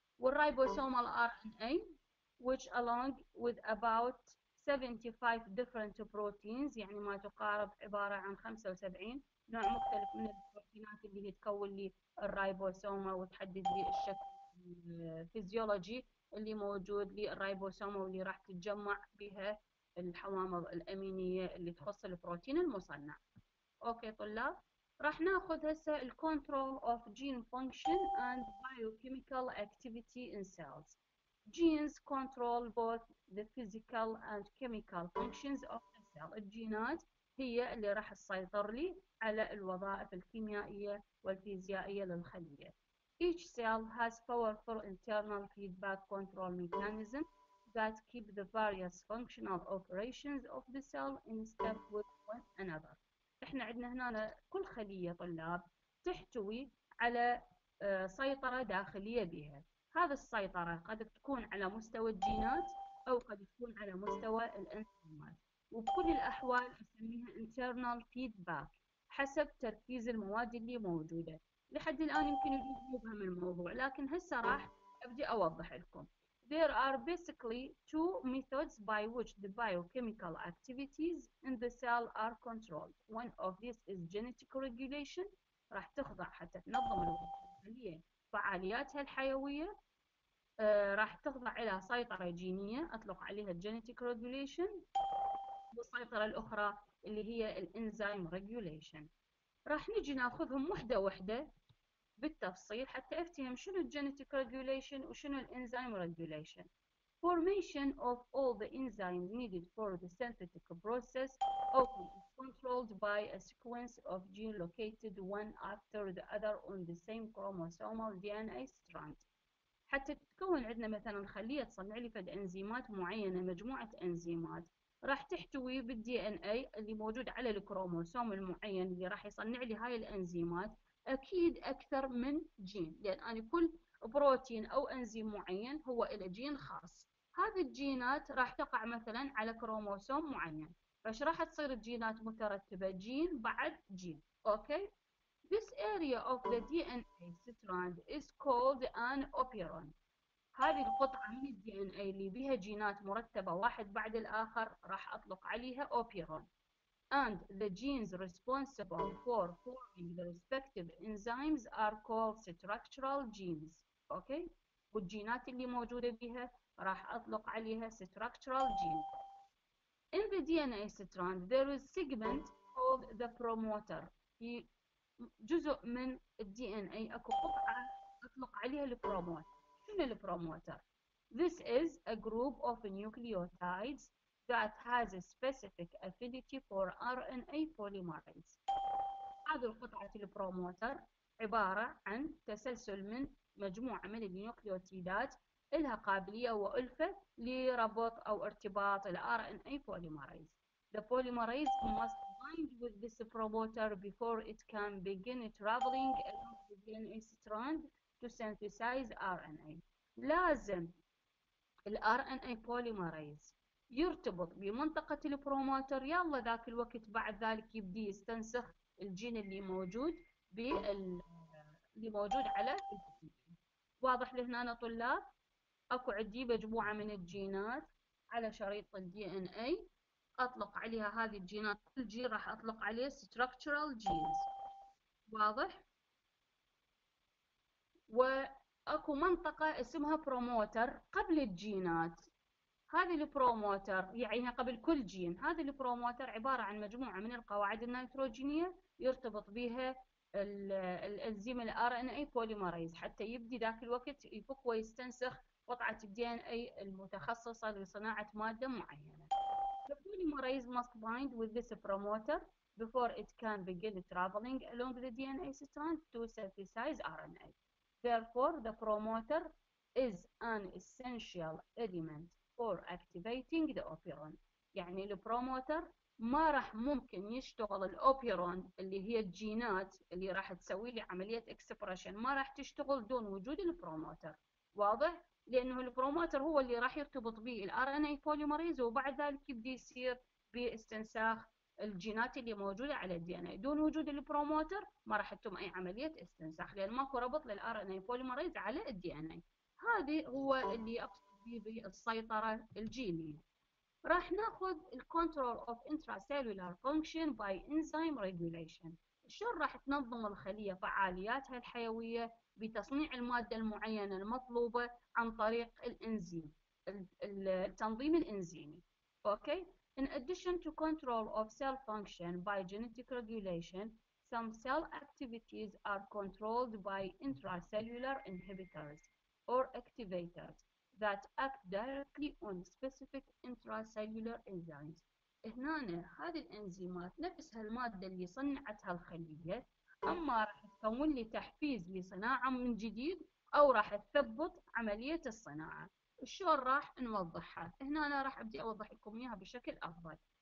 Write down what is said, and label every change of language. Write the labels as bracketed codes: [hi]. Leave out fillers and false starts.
[ar] والريبوسومال ار ان اي [en] which along with about 75 different proteins [ar] يعني ما تقارب عبارة عن 75 نوع مختلف من البروتينات اللي هي تكون لي الرايبوسوما وتحدد لي الشكل الفيزيولوجي اللي موجود للرايبوسوما واللي راح تتجمع بها الحوامض الأمينية اللي تخص البروتين المصنع. أوكي طلاب، راح ناخذ هسه الـ [en] control of gene function and biochemical activity in cells. Genes control both the physical and chemical functions of the cell. [ar] الجينات هي اللي راح تسيطر لي على الوظائف الكيميائية والفيزيائية للخلية. [en] Each cell has powerful internal feedback control mechanism that keep the various functional operations of the cell in step with one another. [ar] احنا عندنا هنا كل خلية طلاب تحتوي على سيطرة داخلية بها. هذه السيطرة قد تكون على مستوى الجينات أو قد تكون على مستوى الانسجامات، وبكل الأحوال أسميها internal feedback حسب تركيز المواد اللي موجودة. لحد الآن يمكن يكون مبهم الموضوع، لكن هسه راح أبدي أوضح لكم. [en] There are basically two methods by which the biochemical activities in the cell are controlled. One of these is genetic regulation. [ar] راح تخضع حتى تنظم الوظيفية فعالياتها الحيوية. راح تخضع إلى سيطرة جينية أطلق عليها genetic regulation. والسيطرة الأخرى اللي هي enzyme regulation. راح نجي ناخذهم وحدة وحدة بالتفصيل حتى افتهم شنو الجينيتيك ريجوليشن وشنو الانزيم ريجوليشن. [en] Formation of all the enzymes needed for the synthetic process often is controlled by a sequence of genes located one after the other on the same chromosomal DNA strand. [ar] حتى تتكون عندنا مثلا خلية تصنع لي فد انزيمات معينة، مجموعة انزيمات راح تحتوي بالدي ان اي اللي موجود على الكروموسوم المعين اللي راح يصنع لي هاي الانزيمات اكيد اكثر من جين، لان انا كل بروتين او انزيم معين هو له جين خاص. هذه الجينات راح تقع مثلا على كروموسوم معين، فش راح تصير الجينات مترتبه جين بعد جين. اوكي، [en] this area of the DNA strand is called an operon. [ar] هذه القطعة من الدي ان اي اللي بها جينات مرتبة واحد بعد الآخر راح أطلق عليها operon. [en] And the genes responsible for forming the respective enzymes are called structural genes. [ar] Okay؟ والجينات اللي موجودة بها راح أطلق عليها structural genes. [en] In the DNA strand there is segment called the promoter. [ar] في جزء من الدي ان اي اكو قطعة أطلق عليها البروموتر. البروموتر. [en] This is a group of nucleotides that has a specific affinity for RNA polymerase. [ar] هذه القطعة البروموتر عبارة عن تسلسل من مجموعة من النيوكليوتيدات لها قابلية وألفة لربط أو ارتباط الـ RNA polymerase. [en] The polymerase must bind with this promoter before it can begin traveling along the DNA strand to synthesize RNA. [ar] لازم الـ RNA polymerase يرتبط بمنطقة البروموتر، يلا ذاك الوقت بعد ذلك يبدي يستنسخ الجين اللي موجود اللي موجود على الجين. واضح لهنا أنا طلاب؟ أكو عندي مجموعة من الجينات على شريط الـ DNA، أطلق عليها هذه الجينات، كل جين راح أطلق عليه structural genes. واضح؟ و اكو منطقة اسمها بروموتر قبل الجينات. هذه البروموتر يعني قبل كل جين، هذه البروموتر عبارة عن مجموعة من القواعد النيتروجينية يرتبط بها الانزيم الـ RNA polymerase حتى يبدي ذاك الوقت يفك ويستنسخ قطعة الـ DNA المتخصصة لصناعة مادة معينة. [en] The polymerase must bind with this promoter before it can begin traveling along the DNA strand to synthesize RNA. Therefore, the promoter is an essential element for activating the operon. [ar] يعني البروموتر ما راح ممكن يشتغل الأوبيرون اللي هي الجينات اللي راح تسوي لي عملية expression ما راح تشتغل دون وجود البروموتر. واضح؟ لأنه البروموتر هو اللي راح يرتبط به الـ RNA polymerase وبعد ذلك يبدي يصير باستنساخ الجينات اللي موجودة على الـ DNA. دون وجود البروموتر ما راح تتم أي عملية استنساخ لأن ماكو ربط للـ RNA polymerase على الـ DNA. هذه هو اللي أقصد به السيطرة الجينية. راح نأخذ الـ [en] control of intracellular function by enzyme regulation. [ar] شلون راح تنظم الخلية فعالياتها الحيوية بتصنيع المادة المعينة المطلوبة عن طريق الإنزيم، التنظيم الإنزيمي. أوكي؟ [en] In addition to control of cell function by genetic regulation, some cell activities are controlled by intracellular inhibitors or activators that act directly on specific intracellular enzymes. [ar] هنا هذه الانزيمات نفسها المادة اللي صنعتها الخلية أما راح تكون لي تحفيز لصناعة من جديد أو راح تثبط عملية الصناعة. شلون راح نوضحها؟ هنا أنا راح أبدي أوضح لكم إياها بشكل أفضل.